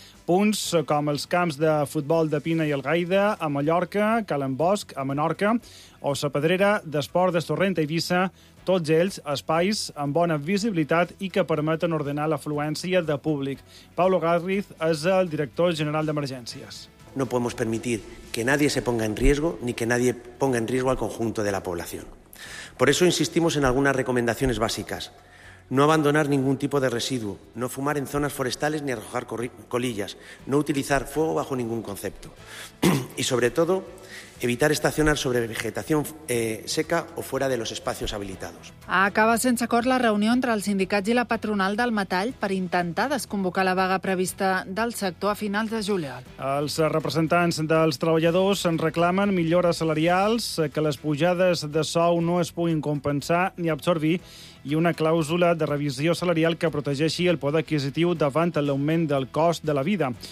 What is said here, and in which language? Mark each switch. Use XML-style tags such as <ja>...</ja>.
<ca>Punts com els camps de futbol de Pina i el Gaida, a Mallorca, Calen Bosch, a Menorca, o Sa Pedrera, d'Esport d'Estorrent i Eivissa, tots ells espais amb bona visibilitat i que permeten ordenar l'afluència de públic. Paulo Garriz és el director general d'Emergències.</ca> <es>No podemos permitir que nadie se ponga en riesgo ni que nadie ponga en riesgo al conjunto de la población. Por eso insistimos en algunas recomendaciones básicas. No abandonar ningún tipo de residuo, no fumar en zonas forestales ni arrojar colillas, no utilizar fuego bajo ningún concepto. Y sobre todo, evitar estacionar sobre vegetación seca o fuera de los espacios habilitados.</es> <ca>Acaba sense acord la reunió entre els sindicats i la patronal del metall per intentar desconvocar la vaga prevista del sector a finals de juliol. Els representants dels treballadors en reclamen millores salarials, que les pujades de sou no es puguin compensar ni absorbir i una clàusula de revisió salarial que protegeixi el poder adquisitiu davant l'augment del cost de la vida.</ca>